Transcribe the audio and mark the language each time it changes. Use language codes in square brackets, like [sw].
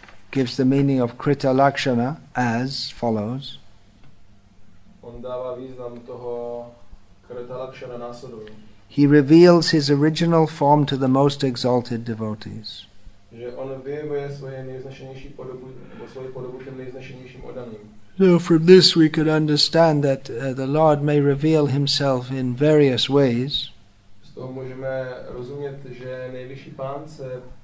[en] Gives the meaning of Krita Lakshana as follows. [cs] On dává význam toho Krita Lakshana následuje. [en] He reveals his original form to the most exalted devotees. [cs] Že on vyjevuje svoje nejznešenější podobu, nebo svoji podobu těm nejznešenějším oddaným. [en] So from this we could understand that the Lord may reveal himself in various ways. [cs] Z toho můžeme rozumět, že nejvyšší pán se